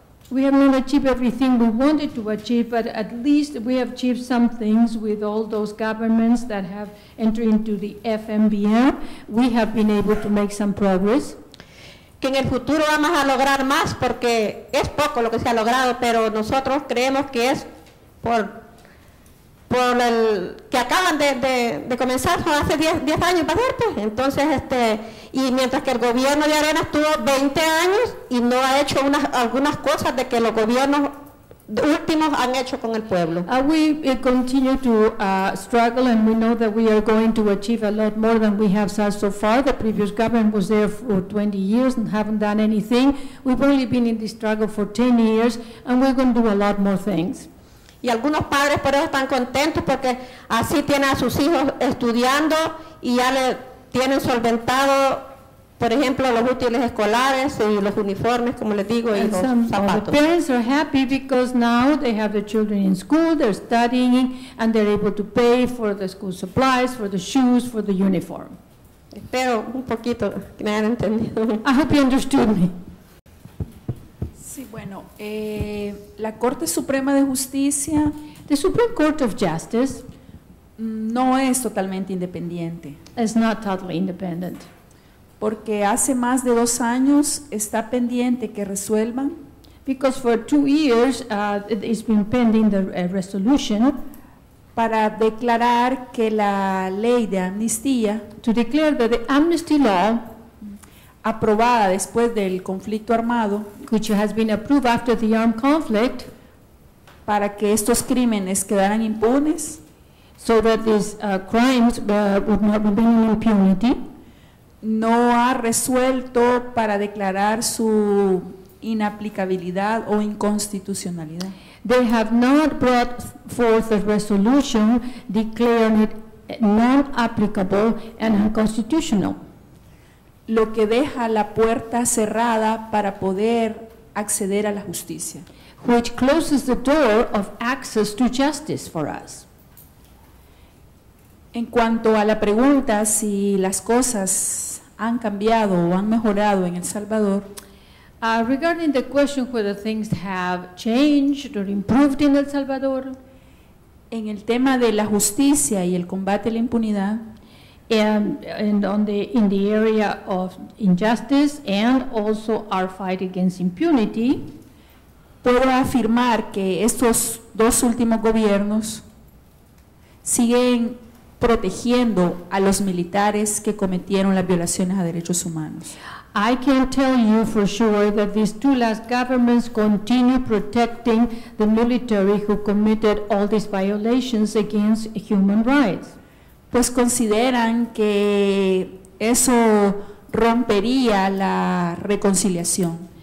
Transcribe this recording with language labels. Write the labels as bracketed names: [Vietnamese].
[English] we have not achieved everything we wanted to achieve, but at least we have achieved some things with all those governments that have entered into the FMBM. We have been able to make some progress. [Spanish] Que en el futuro vamos a lograr más porque es poco lo que se ha logrado, pero nosotros creemos que es por el que acaban de comenzar hace 10 años, ¿va a ser? Pues, entonces, y mientras que el gobierno de Arena estuvo 20 años y no ha hecho algunas cosas de que los gobiernos últimos han hecho con el pueblo. [English] We continue to struggle, and we know that we are going to achieve a lot more than we have so far. The previous government was there for 20 years and haven't done anything. We've only been in this struggle for 10 years, and we're going to do a lot more things. [Spanish] Y algunos padres por eso están contentos porque así tienen a sus hijos estudiando y ya le tienen solventado, por ejemplo, los útiles escolares y los uniformes, como les digo, y los zapatos. [English] The parents are happy because now they have their children in school, they're studying, and they're able to pay for the school supplies, for the shoes, for the uniform. [Spanish] Gracias. Espero un poquito que me hayan entendido. [English] I hope you understood me. [Spanish] Sí, bueno, la Corte Suprema de Justicia, [English] the Supreme Court of Justice, [Spanish] no es totalmente independiente. [English] Is not totally independent. [Spanish] Porque hace más de dos años está pendiente que resuelvan. [English] Because for 2 years it's been pending the resolution. [Spanish] Para declarar que la ley de amnistía, [English] to declare that the amnesty law, [Spanish] aprobada después del conflicto armado, [English] which has been approved after the armed conflict, [Spanish] para que estos crímenes quedaran impunes, [English] so that these crimes would not remain in impunity, [Spanish] no ha resuelto para declarar su inaplicabilidad o inconstitucionalidad. [English] They have not brought forth a resolution declaring it non-applicable and unconstitutional. [Spanish] Lo que deja la puerta cerrada para poder acceder a la justicia. [English] Which closes the door of access to justice for us. [Spanish] En cuanto a la pregunta si las cosas han cambiado o han mejorado en El Salvador, [English] Regarding the question whether things have changed or improved in El Salvador, [Spanish] en el tema de la justicia y el combate a la impunidad, [English] and in the area of injustice and also our fight against impunity, [Spanish] puedo afirmar que estos dos últimos gobiernos siguen protegiendo a los militares que cometieron las violaciones a derechos humanos. [English] I can tell you for sure that these two last governments continue protecting the military who committed all these violations against human rights. [Spanish] Pues consideran que eso rompería la reconciliación.